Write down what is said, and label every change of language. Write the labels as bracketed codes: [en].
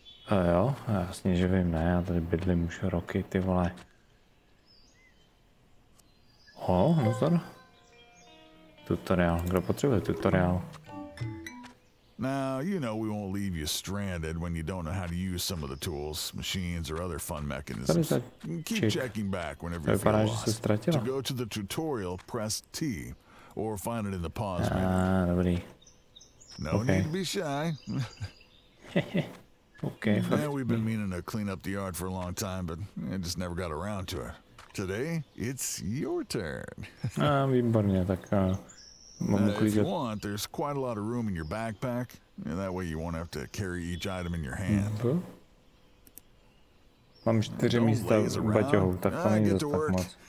[cs] Jo, jasně, že vím, ne, já tady bydlím už roky, ty vole. Ho, nazor. Tutoriál, kdo potřebuje tutoriál? [en] Now, you know we won't leave you stranded when you don't know how to use some of the tools, machines, or other fun mechanisms. Keep checking back whenever you feel lost. To go to the tutorial, press T, or find it in the pause menu. [cs] Dobrý. [en] No need to be shy. Okay, fuck. Yeah, we've been meaning to clean up the yard for a long time, but I just never got around to it. Today, it's your turn. [cs] výborně, tak... [en] If you want, there's quite a lot of room in your backpack, and that way you won't have to carry each item in your hand. [cs] Mám 4 místa v baťohu, tak to není zase tak moc.